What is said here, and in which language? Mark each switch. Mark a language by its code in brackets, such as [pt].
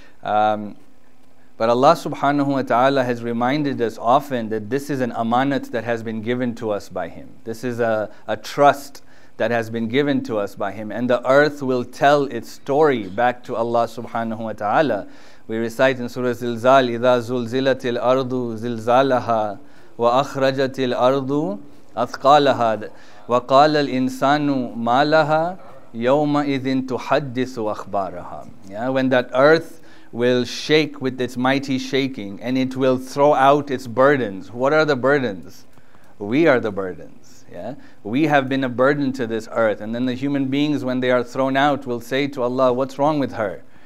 [en] But Allah subhanahu wa ta'ala has reminded us often that this is an amanat that has been given to us by Him. This is a trust that has been given to us by Him. And the earth will tell its story back to Allah subhanahu wa ta'ala. We recite in Surah Zilzal, [ar] إِذَا زُلْزِلَتِ الْأَرْضُ زِلْزَالَهَا وَأَخْرَجَتِ الْأَرْضُ أَثْقَالَهَا وَقَالَ الْإِنسَانُ مَا لَهَا يَوْمَئِذٍ تُحَدِّثُ أَخْبَارَهَا. [en] Yeah, when that earth will shake with its mighty shaking and it will throw out its burdens. What are the burdens? We are the burdens. Yeah, we have been a burden to this earth. And then the human beings, when they are thrown out, will say to Allah, what's wrong with her?